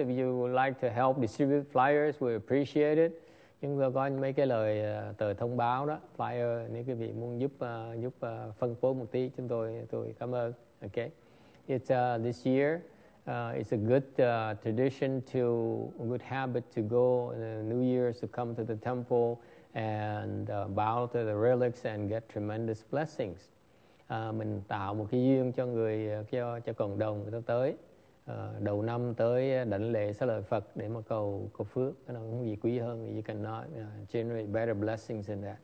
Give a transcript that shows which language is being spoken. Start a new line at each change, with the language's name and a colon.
English: If you would like to help distribute flyers, we appreciate it.
Vietnamese: Chúng tôi có mấy cái lời tờ thông báo đó. Flyer, nếu quý vị muốn giúp phân phối một tí, chúng tôi cảm ơn.
English: Okay. It's this year. It's a good tradition to, a good habit to go in New Year's to come to the temple and bow to the relics and get tremendous blessings.
Vietnamese: Mình tạo một cái duyên cho người, cho cộng đồng người ta tới. Đầu năm tới đảnh lễ xá lợi Phật để mà cầu phước. Cái nào cũng gì quý hơn,
English: you cannot generate better blessings than that.